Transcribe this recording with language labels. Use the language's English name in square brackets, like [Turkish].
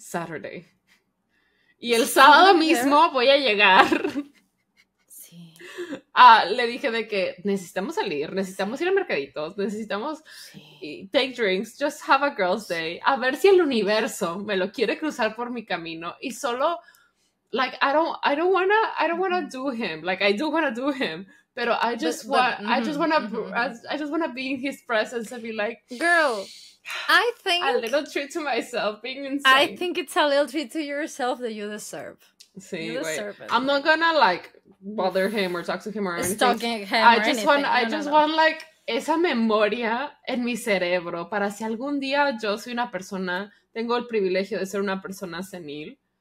[English] Saturday. [Spanish] Y el sábado mismo voy a llegar. Sí. Le dije de que necesitamos salir, necesitamos ir a mercaditos, necesitamos [English] take drinks, just have a girl's day. [Spanish] A ver si el universo me lo quiere cruzar por mi camino. Y solo, [English] like, I don't wanna do him. Like, I do wanna do him. [Spanish] Pero [English] I just wanna be in his presence and be like, girl, I think a little treat to myself, being insane. I think it's a little treat to yourself that you deserve. [Spanish] Sí, [English] you deserve it. I'm not gonna like bother him or talk to him or anything. Stalking him or I just want like [Spanish] esa memoria en mi cerebro para si algún día yo soy una persona, tengo el privilegio de ser una persona senil.